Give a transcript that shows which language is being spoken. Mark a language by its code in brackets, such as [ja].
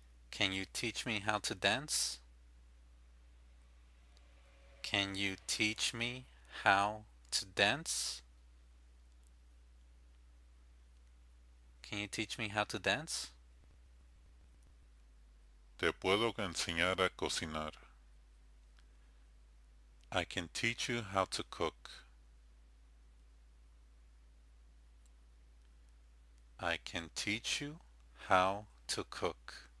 [en] Can you teach me how to dance? Can you teach me how to dance? Can you teach me how to dance? [es] Te puedo enseñar a cocinar. [en] I can teach you how to cook. I can teach you how to cook.